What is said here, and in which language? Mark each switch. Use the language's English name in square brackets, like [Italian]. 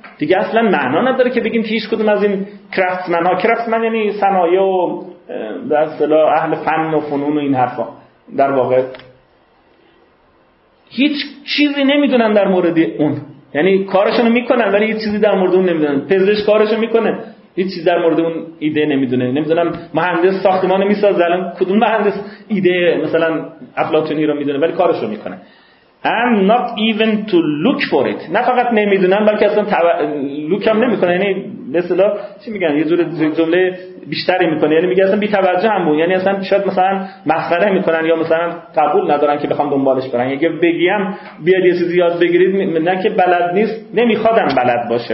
[Persian] دیگه اصلا معنا نداره که بگیم که هیچ کدوم از این craftsmen ها، craftsmen یعنی صنایع و به اصطلاح اهل فن و فنون و این حرفا، در واقع هیچ چیزی نمیدونن در مورد اون، یعنی کارشونو میکنن ولی هیچ چیزی در مورد اون نمیدونن. پزشک کارشو میکنه، هیچ چیزی در مورد اون ایده نمیدونه. نمیدونم مهندس ساختمانو میسازه، الان کدوم مهندس ایده مثلا افلاطونی رو میدونه، ولی کارشو میکنه. [English] I'm not even to look for it. [Persian] نه فقط نمیدونن بلکه اصلا لوک هم نمیکنه، یعنی به اصطلاح چی میگن، یه جور جمله بیشتری میکنه، یعنی میگه اصلا بی توجه هم بود، یعنی اصلا شاید مثلا مسخره میکنن یا مثلا قبول ندارن که بخوام دنبالش برن، یعنی بگیم بیاد یه چیزی یاد بگیرید، نه که بلد نیست، نمیخوادم بلد باشه.